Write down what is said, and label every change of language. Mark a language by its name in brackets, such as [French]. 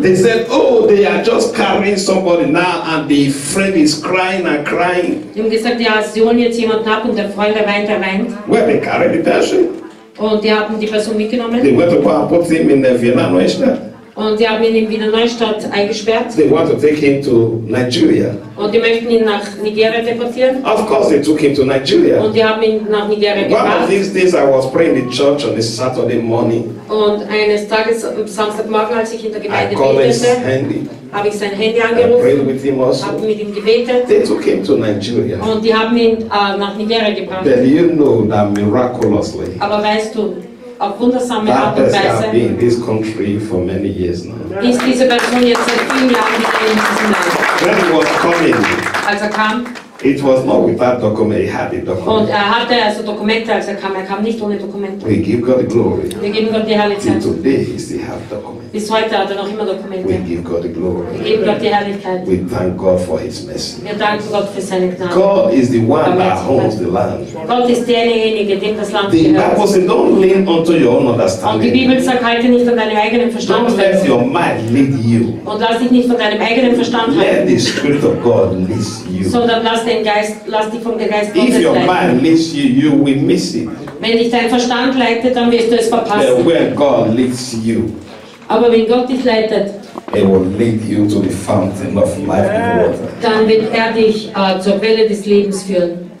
[English] They said, oh, they are just carrying somebody now, and the friend is crying and crying. [German] Die haben gesagt, ja, sie holen jetzt jemanden ab, und der Freund weint. [English] Where they carry the person? [German] Und die haben die Person mitgenommen. [English] They went to put him in the Wiener Neustadt. [German] Und die haben ihn in Wiener Neustadt eingesperrt. [English] They want to take him to Nigeria. [German] Und die möchten ihn nach Nigeria deportieren. [English] Of course they took him to Nigeria. [German] Und die haben ihn nach Nigeria gebracht. [English] One of these days I was praying in church on a Saturday morning. [German] Und eines Tages am Samstagmorgen, als ich in der Gemeinde betete, habe ich sein Handy angerufen. [English] I prayed with him also. [German] Habe mit ihm gebetet. [English] They took him to Nigeria. [German] Und die haben ihn nach Nigeria gebracht. [English] Then you know that miraculously. [German] Aber weißt du, auf wundersame Art und Weise [English] been in this country for many years now. [German] Ist diese Person jetzt seit vielen Jahren in diesem Land. [English] When he was coming, [German] als kam, [English] it was not without document, he had a document. [German] Und hatte also Dokumente, als kam. Er kam nicht ohne Dokumente. [English] We give God the glory. [German] Wir geben Gott die Herrlichkeit. [English] Till today he still have documents. [German] Bis heute hat noch immer Dokumente. [English] We give God the glory. [German] Wir geben Gott die Herrlichkeit. [English] We thank God for his mercy. [German] Wir danken Gott für seine Gnade. [English] God is the one that holds the land. [German] Gott ist derjenige, dem das Land gehört. [English] The Bible says, don't lean onto your own understanding. [German] Und die Bibel sagt, halte nicht von deinem eigenen Verstand. [English] Don't let your mind lead you. [German] Und lass dich nicht von deinem eigenen Verstand halten. [English] Let the Spirit of God lead you. [German] Sondern lass den Geist, lass dich vom Geist Gottes leiten. [English] If your mind leads you, you will miss it. [German] Wenn dich dein Verstand leitet, dann wirst du es verpassen. [English] Where God leads you. [German] Aber wenn Gott dich leitet, [English] he will lead you to the fountain of life and water. [German] Dann wird er dich zur Quelle des Lebens führen.